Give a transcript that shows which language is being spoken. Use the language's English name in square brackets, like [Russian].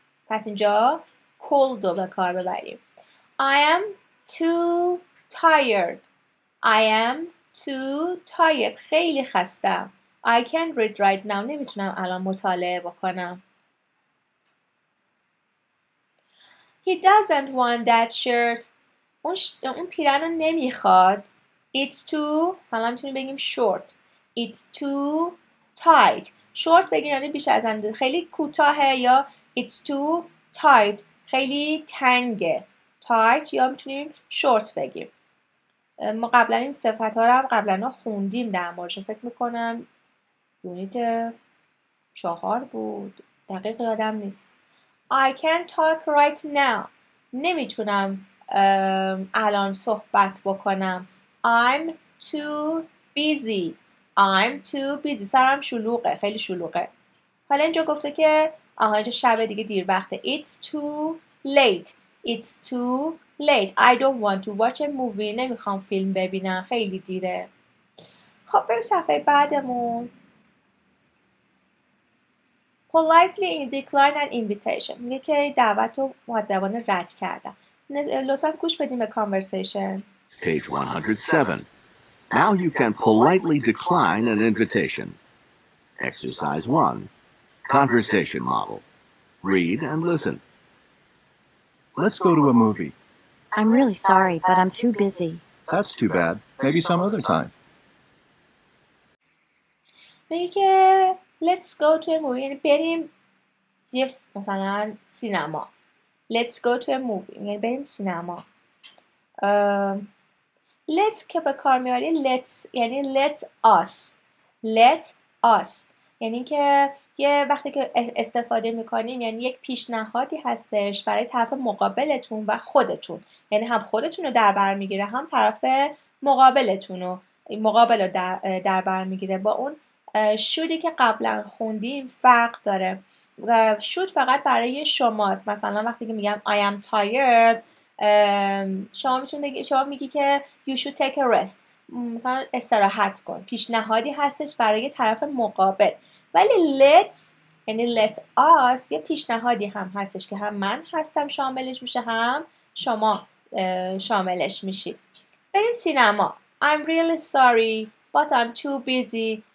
[Persian] پس اینجا cold رو به کار ببریم. [English] I am too tired. I am too tired. [Persian] خیلی خستم. [English] I can't read right now. [Persian] نمیتونم الان مطالعه بکنم. [English] He doesn't want that shirt. [Persian] اون پیرهن رو نمیخواد. [English] It's too, [Persian] مثلا میتونیم بگیم short. [English] It's too tight. [Persian] Short بگیم یعنی بیش از اندازه. خیلی کوتاهه یا [English] it's too tight. [Persian] خیلی تنگه. Tight یا میتونیم short بگیم. ما قبلا این صفت ها رو هم قبلا خوندیم در موردش. فکر میکنم یونیت 4 بود. دقیق یادم نیست. [English] I can't talk right now. [Persian] نمیتونم الان صحبت بکنم. [English] I'm too busy. I'm too busy. [Persian] سرم شلوغه. خیلی شلوغه. حالا اینجا گفته که آها اینجا شب دیگه دیر وقته. [English] It's too late. It's too late. I don't want to watch a movie. [Persian] نمیخوام فیلم ببینم. خیلی دیره. خب بریم صفحه بعدمون. [English] Politely decline an invitation. [Persian] میگه که دعوت رو مؤدبانه رد کردم. لطفاً گوش بدیم به conversation. [English] Page 107. Now you can politely decline an invitation. Exercise 1. Conversation model. Read and listen. Let's go to a movie. I'm really sorry, but I'm too busy. That's too bad. Maybe some other time. [Persian] میگه که [English] Let's go to a movie. [Persian] یعنی بریم مثلا سینما. [English] Let's go to a movie. [Persian] یعنی بریم سینما. Let's که به کار میاری. [English] Let's یعنی let us. Let us. [Persian] یعنی که یه وقتی که استفاده میکنیم یعنی یک پیشنهادی هستش برای طرف مقابلتون و خودتون. یعنی هم خودتون رو در بر میگیره هم طرف مقابلتون رو. مقابل رو در بر میگیره با اون. شودی که قبلا خوندیم فرق داره. شود فقط برای شماست. مثلا وقتی که میگم [English] I am tired [Persian] شما میتونی بگی شما میگی که [English] you should take a rest. [Persian] مثلا استراحت کن. پیشنهادی هستش برای طرف مقابل. ولی let's یعنی let us یه پیشنهادی هم هستش که هم من هستم شاملش میشه هم شما شاملش میشید. بریم سینما. [English] I'm really sorry but I'm too busy.